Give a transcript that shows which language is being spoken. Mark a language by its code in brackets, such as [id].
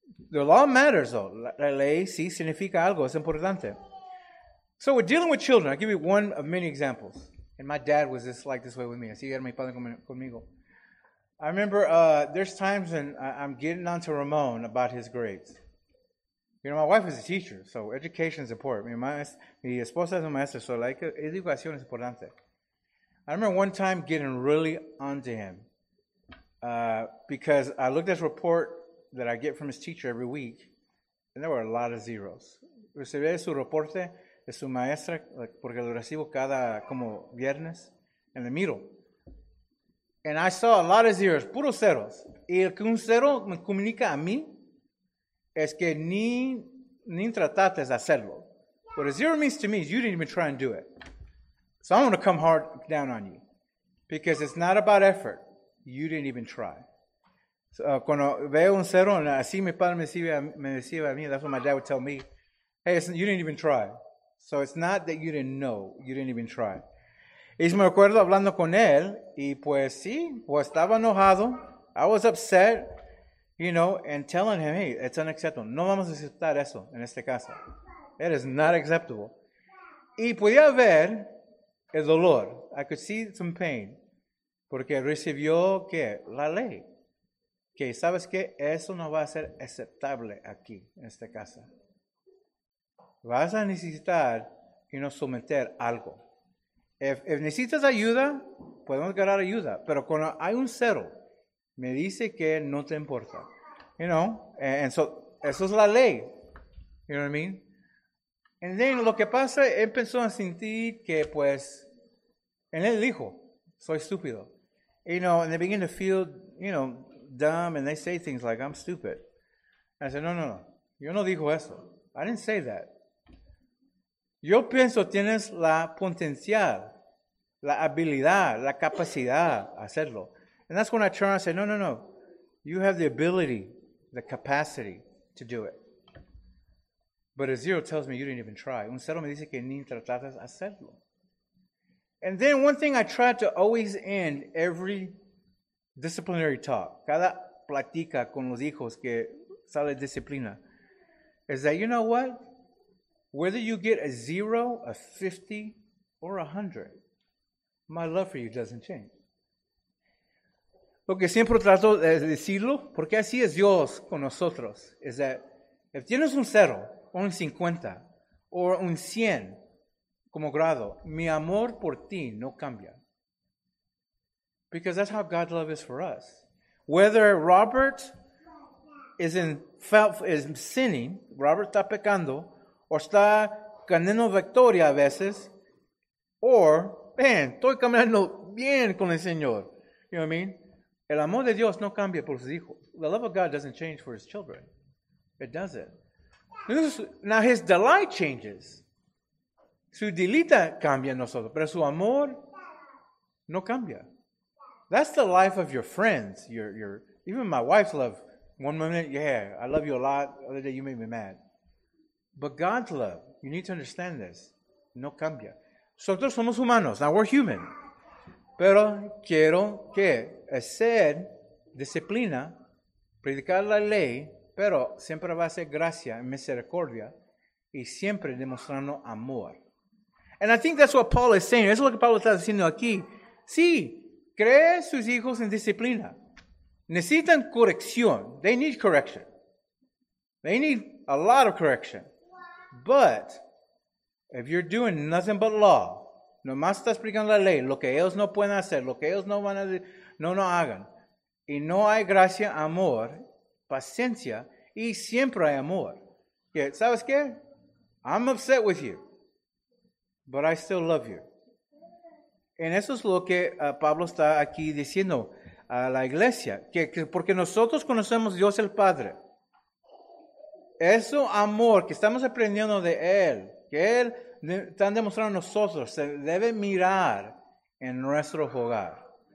[en] The law matters though. [es] La ley sí significa algo, es importante. [en] So we're dealing with children. I'll give you one of many examples. And my dad was just like this way with me. [es] Así era mi padre conmigo. [en] I remember there's times when I'm getting on to Ramon about his grades. You know, my wife is a teacher, so education is important. [es] Mi esposa es un maestro, so like educación es importante. [en] I remember one time getting really onto him because I looked at his report that I get from his teacher every week, and there were a lot of zeros. [es] Recibí su reporte de su maestra porque lo recibo cada como viernes en el miro. [en] And I saw a lot of zeros, [es] puros ceros. Y el que un cero me comunica a mí es que ni tratates de hacerlo. [en] What a zero means to me is you didn't even try and do it. So I'm going to come hard down on you. Because it's not about effort. You didn't even try. So, [es] cuando veo un cero, así mi padre me decía a mí, [en] that's what my dad would tell me. Hey, you didn't even try. So it's not that you didn't know. You didn't even try. [es] Y me acuerdo hablando con él, y pues sí, pues estaba enojado. [en] I was upset, you know, and telling him, hey, it's unacceptable. [es] No vamos a aceptar eso en este caso. [en] It is not acceptable. [es] Y podía ver el dolor. [en] I could see some pain. [es] Porque recibió, ¿qué? La ley. Que, ¿sabes qué? Eso no va a ser aceptable aquí, en esta casa. Vas a necesitar, you know, someter algo. If necesitas ayuda, podemos agarrar ayuda. Pero cuando hay un cero, me dice que no te importa. You know? And so, eso es la ley. You know what I mean? And then, lo que pasa, empezó a sentir que, pues, en él dijo, soy estúpido. [en] You know, and they begin to feel, you know, dumb, and they say things like, I'm stupid. And I said, no, [es] yo no dijo eso. [en] I didn't say that. [es] Yo pienso tienes la potencial, la habilidad, la capacidad hacerlo. [en] And that's when I turned and said, no, you have the ability, the capacity to do it. But a zero tells me you didn't even try. [es] Un cero me dice que ni trataste hacerlo. [en] And then one thing I try to always end every disciplinary talk, [es] cada plática con los hijos que sale disciplina, [en] is that, you know what? Whether you get a zero, a 50, or a 100, my love for you doesn't change. [es] Lo que siempre trato de decirlo, porque así es Dios con nosotros, [en] is that if [es] tienes un cero, un 50, or un 100 como grado, mi amor por ti no cambia. [en] Because that's how God's love is for us. Whether Robert is sinning, [es] Robert está pecando, o está ganando victoria a veces, or, man, estoy caminando bien con el Señor. [en] You know what I mean? [es] El amor de Dios no cambia por sus hijos. [en] The love of God doesn't change for his children. It doesn't. Now his delight changes. [es] Su delita cambia en nosotros, pero su amor no cambia. [en] That's the life of your friends. Your even my wife's love. One moment, yeah, I love you a lot. The other day, you made me mad. But God's love, you need to understand this, [es] no cambia. Nosotros somos humanos. [en] Now we're human. [es] Pero quiero que hacer disciplina, predicar la ley, pero siempre va a ser gracia y misericordia y siempre demostrando amor. [en] And I think that's what Paul is saying. [es] Eso es lo que Pablo está diciendo aquí. Sí, cree sus hijos en disciplina. Necesitan corrección. [en] They need correction. They need a lot of correction. But if you're doing nothing but law, [es] nomás estás aplicando la ley, lo que ellos no pueden hacer, lo que ellos no van a decir, no hagan. Y no hay gracia, amor, paciencia, y siempre hay amor. ¿Sabes qué? [en] I'm upset with you, but I still love you. [es] En eso es lo que Pablo está aquí diciendo a la iglesia, que porque nosotros conocemos a Dios el Padre, ese amor que estamos aprendiendo de Él, que Él está demostrando a nosotros, se debe mirar en nuestro hogar.